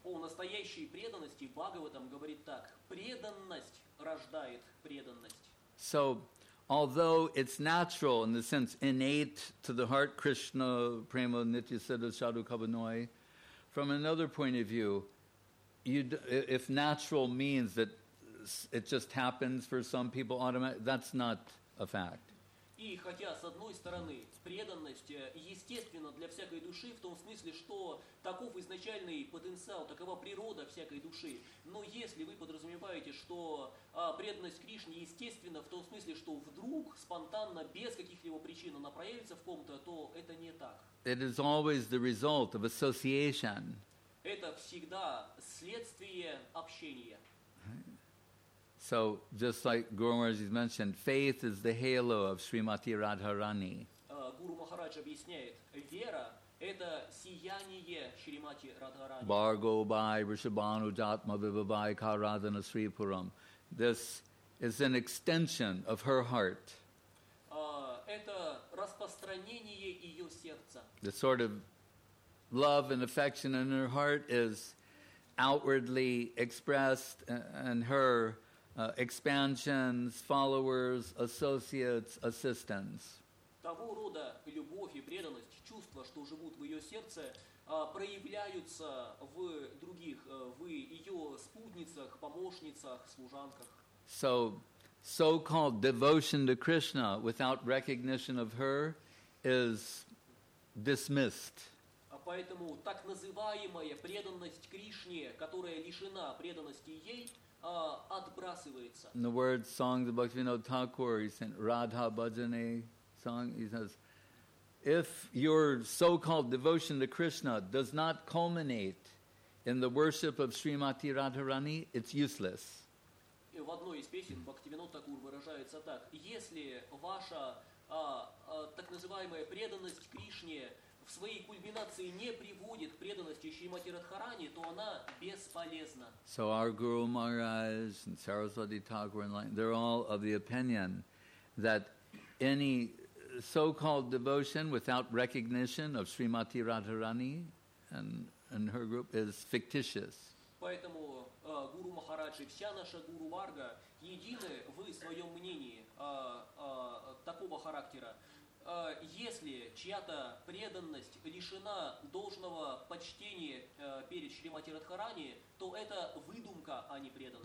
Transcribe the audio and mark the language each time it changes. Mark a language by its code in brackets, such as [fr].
[ru] О настоящей преданности Бхагаватам говорит так: преданность рождает преданность. [en] So, although it's natural in the sense innate to the heart, Krishna, Prema, Nitya, Siddha, Sadhu, Kabanoi, from another point of view, if natural means that it just happens for some people automatically, that's not a fact. [ru] И хотя, с одной стороны, преданность естественна для всякой души, в том смысле, что таков изначальный потенциал, такова природа всякой души, но если вы подразумеваете, что преданность Кришне естественна, в том смысле, что вдруг, спонтанно, без каких-либо причин она проявится в ком-то, то это не так. [en] It is always the result of association. [ru] Это всегда следствие общения. [en] So, just like Guru Maharaj has mentioned, faith is the halo of Srimati Radharani. [ru] Guru Maharaj объясняет, вера – это сияние Шримати Радхарани. Бхаргобай, Ришабану, Джатма, Вибабай, Карадана, Срипурам. [en] This is an extension of her heart. [ru] Это распространение ее сердца. [en] The sort of love and affection in her heart is outwardly expressed in her expansions, followers, associates, assistants. [ru] Того рода любовь и преданность, чувства, что живут в ее сердце, проявляются в других, в ее спутницах, помощницах, служанках. [en] So, so-called devotion to Krishna without recognition of her is dismissed. [ru] Поэтому так называемая преданность Кришне, которая лишена преданности ей, отбрасывается. [en] In the words songs of Bhaktivinoda Thakur, he sent Radha Bhajane song, he says, if your so-called devotion to Krishna does not culminate in the worship of Srimati Radharani, it's useless. [ru] В одной из песен Бхактивинода Такур выражается так: если ваша так называемая преданность Кришне в своей кульминации не приводит к преданности Шримати Радхарани, то она бесполезна. [en] So our Guru Maharaj and Saraswati Thakur, they're all of the opinion that any so-called devotion without recognition of Srimati Radharani and her group is fictitious. [ru] Поэтому Гуру Махарадж и вся наша Гуру Варга едины в своем мнении такого характера. Если чья-то преданность лишена должного почтения перед Шримати Радхарани, то это выдумка, а не преданность.